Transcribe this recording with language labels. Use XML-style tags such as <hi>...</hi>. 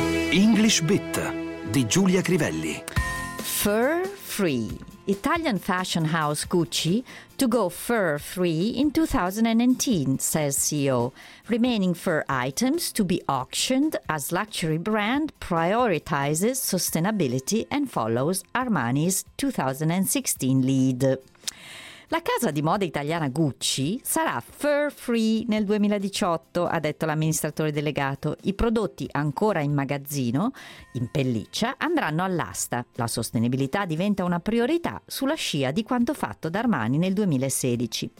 <it>English Bit di Giulia Crivelli.</it> <en>Fur free. Italian fashion house Gucci to go fur free in 2019, says CEO. Remaining fur items to be auctioned as luxury brand prioritizes sustainability and follows Armani's 2016 lead.</en> <it>La casa di moda italiana Gucci sarà fur free nel 2018, ha detto l'amministratore delegato. I prodotti ancora in magazzino, in pelliccia, andranno all'asta. La sostenibilità diventa una priorità sulla scia di quanto fatto da Armani nel 2016.</it>